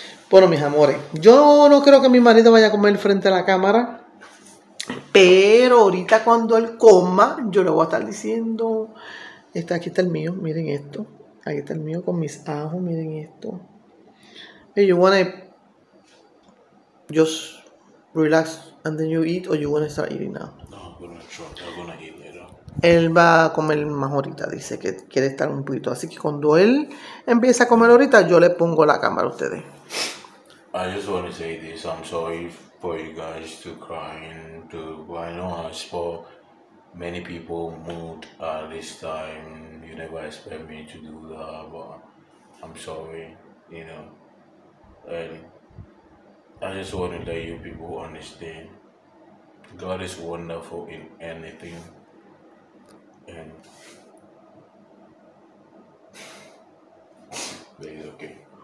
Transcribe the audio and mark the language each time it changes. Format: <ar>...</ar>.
<es>Bueno, mis amores, yo no creo que mi marido vaya a comer frente a la cámara. Pero ahorita cuando él coma, yo le voy a estar diciendo, aquí está el mío, miren esto, aquí está el mío con mis ajos, miren esto.</es> <en>Hey, you wanna just relax and then you eat, or you wanna start eating now? No, I'm gonna eat later.</en> <es>Él va a comer más ahorita, dice que quiere estar un poquito, así que cuando él empieza a comer ahorita, yo le pongo la cámara a ustedes.</es> <en>I just wanna say this, I'm sorry for you guys to crying to, but I know I spoke many people mood at this time. You never expect me to do that, but I'm sorry, you know. And I just want to let you people understand God is wonderful in anything, and it's okay.</en>